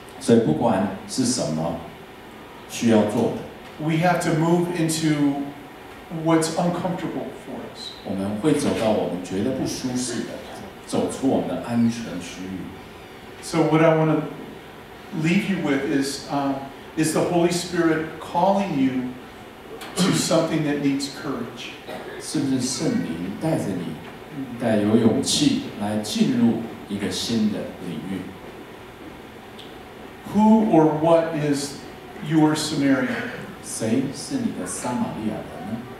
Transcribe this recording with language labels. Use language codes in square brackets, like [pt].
[zh] 所以不管是什么需要做的。 [en] We have to move into what's uncomfortable for us. [zh] 我们会走到我们觉得不舒适的，走出我们的安全区域。 [en] So what I want to leave you with is, is the Holy Spirit calling you to something that needs courage? [zh] 是不是圣灵带着你，带有勇气来进入一个新的领域？ [en] Who or what is your Samaria? [zh] 谁是你的撒玛利亚人呢？